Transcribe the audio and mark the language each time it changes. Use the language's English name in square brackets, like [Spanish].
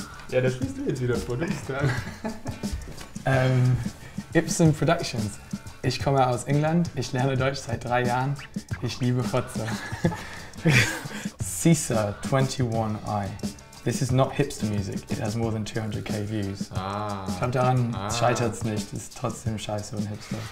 [German] Ja, das liest du jetzt wieder vor, du bist dran. Ibsen Productions. Ich komme aus England, ich lerne Deutsch seit 3 Jahren, ich liebe Fotze. Caesar 21i. [English] This is not hipster music, it has more than 200k views. Ah. [German] Ich glaube daran scheitert es nicht, ist trotzdem scheiße und hipster.